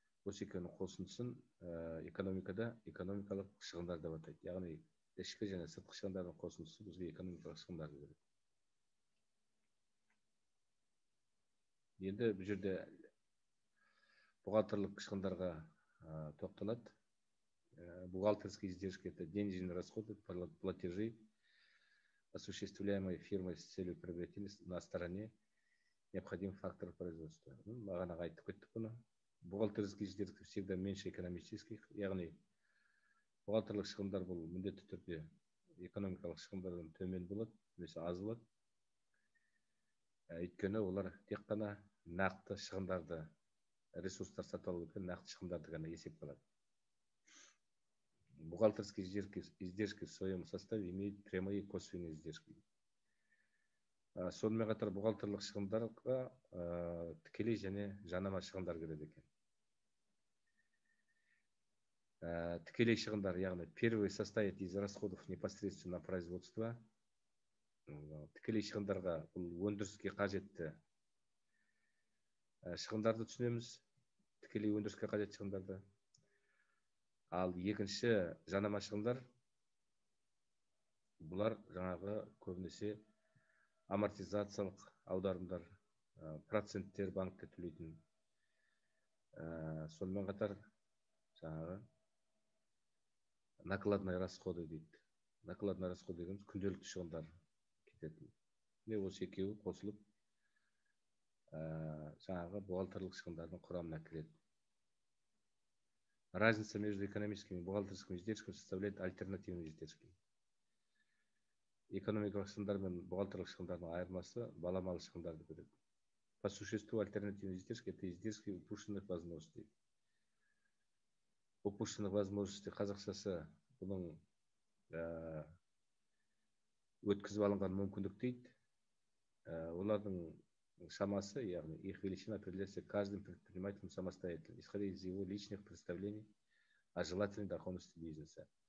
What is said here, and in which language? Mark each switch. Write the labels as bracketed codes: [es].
[kk] Осы екеуінің қосындысын экономикада экономикалық шығындар деп атайды. Яғни, ішкі және сыртқы шығындардың қосындысы бізге экономикалық шығындар деп. Енді бұл жерде бухгалтерлік шығындарға тоқталады. [ru] Бухгалтерские издержки – это денежные расходы, платежи, осуществляемые фирмой с целью приобретения на стороне необходимых факторов производства. [kk] Маған аға айтып кетті бұны. [ru] Бухгалтерские издержки всегда меньше экономических. [kk] Яғни, бухгалтерлік шығындар бұл міндетті түрде экономикалық шығындардан төмен болады, өзі аз болады. Өйткені олар тек қана нақты шығындарды, ресурстар сатып алу үшін нақты шығындарды ғана есеп қалады. [ru] Бухгалтерские издержки в своем составе имеют прямые и косвенные издержки. [kk] Сонымен қатар бухгалтерлік шығындарға тікелей және жанама шығындар кіреді екен. Тікелей шығындар, яғни [ru] первый состоит из расходов непосредственно на производство. [kk] Тікелей шығындарға бұл өндіріске қажетті шығындарды түсінеміз, тікелей өндіріске қажет шығындарды. Ал екінші жанама шығындар, бұлар жаңағы көбінесе амортизациялық аударымдар, проценттер банкке төлейтін. Сонымен қатар жаңағы накладной расходы дейді. Накладной расходы дейді, күнделікті шығындар кететін. Не осы екеуі қосылып, жаңағы бухгалтерлік шығындардың құрамына кіреді. [ru] Разница между экономическими и бухгалтерскими издержками составляет альтернативные издержки. [kk] Экономикалық шығындар мен бухгалтерлік шығындардың айырмасы баламалы шығындарды береді. [ru] По существу альтернативные издержки – это издержки упущенных возможностей. Упущенных возможностей [kk] қазақшасы бұның өткізіп алынған мүмкіндік дейді. Олардың шамасы, яғни [ru] их величина определяется каждым предпринимателем самостоятельно, исходя из его личных представлений о желательной доходности бизнеса.